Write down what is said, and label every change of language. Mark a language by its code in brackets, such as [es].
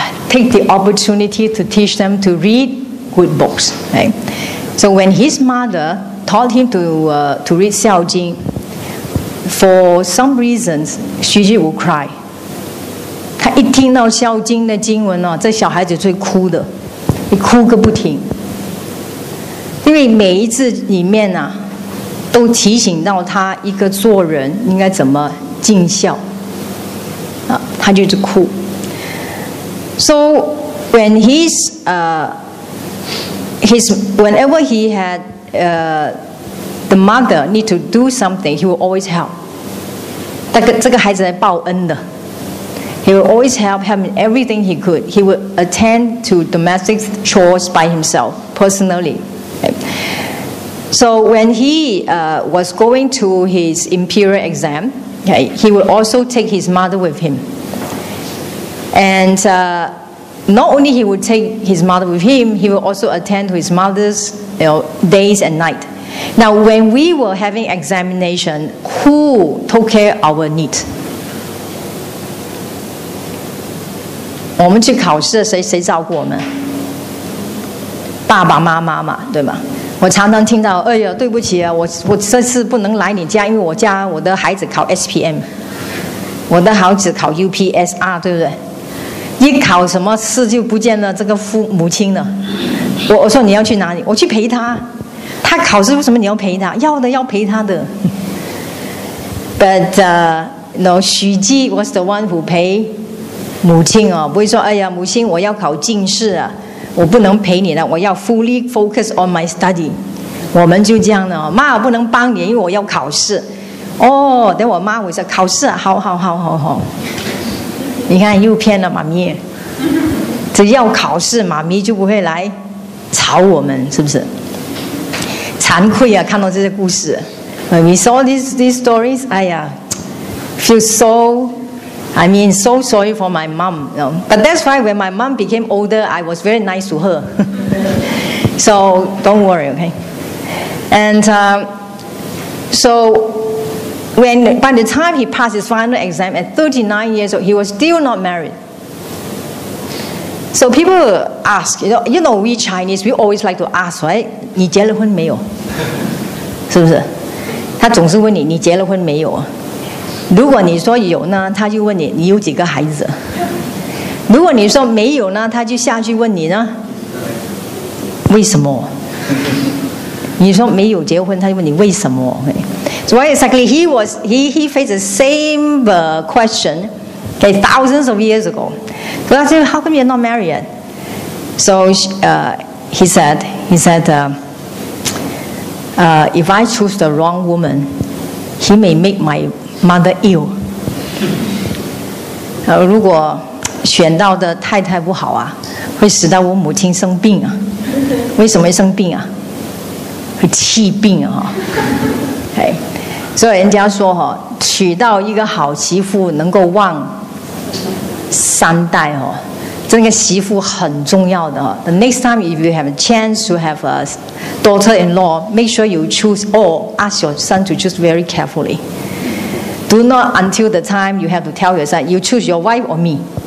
[en] Take the opportunity to teach them to read good books. Right? So when his mother taught him to read Xiao Jing, for some reasons, Xu Ji will cry. [zh] 他一听到孝经的经文哦，这小孩子最哭的，你哭个不停。因为每一次里面啊。都提醒到他一个做人应该怎么尽孝、啊、他就是哭 [en] So when he's whenever he had the mother need to do something he will always help [zh] 这个孩子来报恩的 [en] He will always help him in everything he could He would attend to domestic chores by himself personally、okay. So when he was going to his imperial exam, okay, he would also take his mother with him. And not only he would take his mother with him, he would also attend to his mother's days and night. Now when we were having examination, who took care of our need? [zh] 我们去考试谁照顾我们？爸爸妈妈嘛，对吗？我常常听到，哎呀，对不起啊，我这次不能来你家，因为我家我的孩子考 SPM， 我的孩子考 UPSR， 对不对？一考什么试就不见了这个父母亲了。我说你要去哪里？我去陪他。他考试为什么你要陪他？要的要陪他的。 [en] But no， [zh] 徐姬 [en] was the one who [zh] 陪母亲哦，不会说哎呀，母亲我要考进士啊。我不能陪你了，我要 [en] fully focus on my study。 [zh] 我们就这样的，妈我不能帮你，因为我要考试。哦，等我妈我说考试，好好好好好。你看又骗了妈咪，只要考试，妈咪就不会来吵我们，是不是？惭愧啊，看到这些故事。 [en] When we saw these stories, I feel so sorry for my mom. You know? But that's why when my mom became older, I was very nice to her. So don't worry, okay? And by the time he passed his final exam at 39 years old, he was still not married. So people ask, you know, we Chinese, we always like to ask, right? [zh] 你结了婚没有？是不是？他总是问你，你结了婚没有？如果你说有呢，他就问你，你有几个孩子？如果你说没有呢，他就下去问你呢，为什么？你说没有结婚，他就问你为什么？ [en] So exactly, he faced the same question okay, thousands of years ago. So I said, how come you're not married yet? So he said, if I choose the wrong woman, he may make my mother ill. [zh] 如果选到的太太不好啊，会使到我母亲生病啊。为什么生病啊？会气病啊。Okay. 所以人家说哈，娶到一个好媳妇能够旺三代哦，这个媳妇很重要的哦。 [en] The next time if you have a chance to have a daughter-in-law, make sure you choose or ask your son to choose very carefully. Do not until the time you have to tell your son, you choose your wife or me.